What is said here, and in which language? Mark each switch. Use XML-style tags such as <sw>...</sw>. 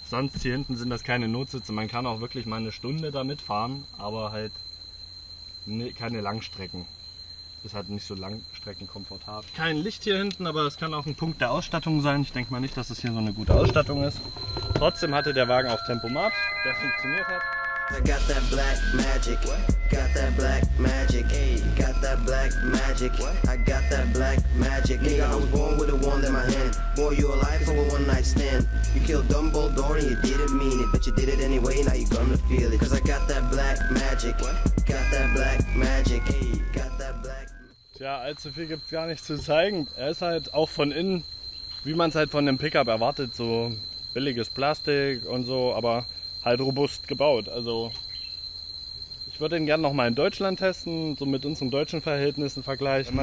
<de>Sonst hier hinten sind das keine Notsitze. Man kann auch wirklich mal eine Stunde damit fahren, aber halt keine Langstrecken. Ist halt nicht so langstreckenkomfortabel. Kein Licht hier hinten, aber das kann auch ein Punkt der Ausstattung sein. Ich denke mal nicht, dass es hier so eine gute Ausstattung ist. Trotzdem hatte der Wagen auch Tempomat, der funktioniert hat.</de> <en>I got that black magic, got that black magic, got that black magic, I got that black magic. Nigga, I was born with a wand in my hand, boy, you alive for a one night stand. You killed Dumbledore and you didn't mean it, but you did it anyway, now you're gonna feel it. Cause I got that black magic, got that black magic, got that black.</en> <de>Tja, allzu viel gibt's gar nicht zu zeigen. Er ist halt auch von innen, wie man es halt von einem Pickup erwartet, so billiges Plastik und so, aber halt robust gebaut. Also ich würde ihn gerne nochmal in Deutschland testen, so mit unseren deutschen Verhältnissen vergleichen.</de>